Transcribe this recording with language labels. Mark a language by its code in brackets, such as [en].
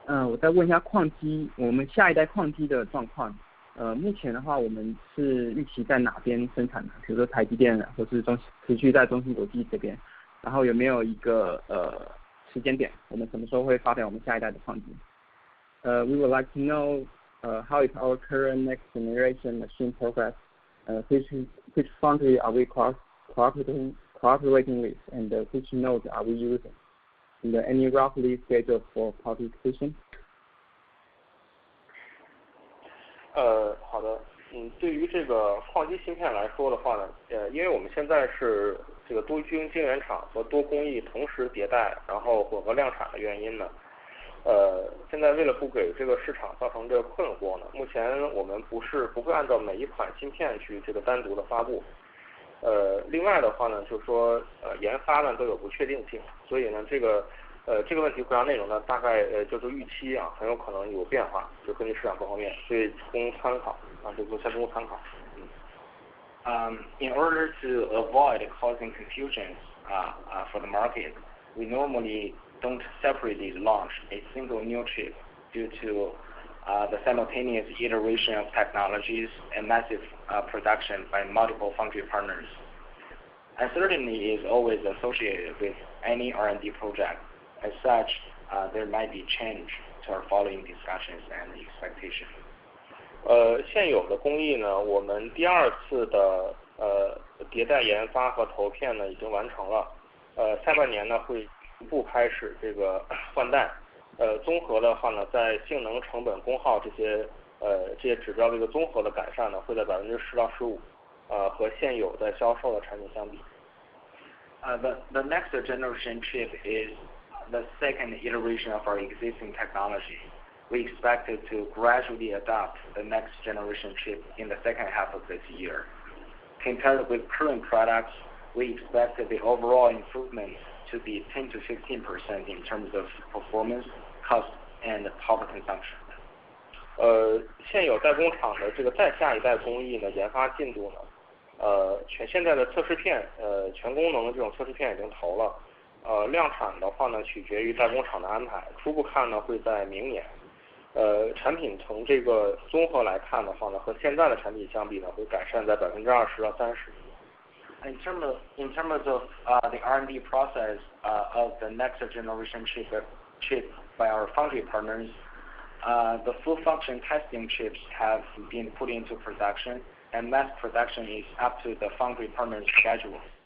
[zh] 我再问一下矿机，我们下一代矿机的状况。目前的话，我们是预期在哪边生产呢？比如说台积电，或是持续在中芯国际这边。然后有没有一个时间点？我们什么时候会发表我们下一代的矿机？ [en] We would like to know, how is our current next generation machine progress? Which foundry are we cooperating with, and which node are we using? And any roughly schedule for participation? [zh] 好的，对于这个矿机芯片来说的话呢，因为我们现在是这个多晶晶圆厂和多工艺同时迭代，然后混合量产的原因呢，现在为了不给这个市场造成这个困惑呢，目前我们不会按照每一款芯片去这个单独的发布。另外的话呢，就是说，研发呢都有不确定性，所以呢，这个问题回答内容呢，大概就是预期啊，很有可能有变化，就根据市场各方面，所以仅供参考啊，就先供参考。 [en] In order to avoid causing confusions for the market, we normally don't separately launch a single new chip due to the simultaneous iteration of technologies and massive production by multiple foundry partners. Uncertainty is always associated with any R&D project. As such, there might be change to our following discussions and expectations. [zh] 现有的工艺呢，我们第二次的迭代研发和投片呢已经完成了。下半年呢会逐步开始这个换代。综合的话呢，在性能、成本、功耗这些指标的一个综合的改善呢，会在10%-15%，和现有的销售的产品相比。 [en] The next generation chip is the second iteration of our existing technology. We expect it to gradually adopt the next generation chip in the second half of this year. Compared with current products, we expect the overall improvement to be 10-15% in terms of performance. Cost and power consumption. [zh] 现有代工厂的这个再下一代工艺呢，研发进度呢，现在的测试片，全功能的这种测试片已经投了，量产的话呢，取决于代工厂的安排，初步看呢会在明年，产品从这个综合来看的话呢，和现在的产品相比呢，会改善在20%-30%。 [en] In terms of the R&D process of the next generation chip. By our foundry partners, the full function testing chips have been put into production, and mass production is up to the foundry partner's schedule.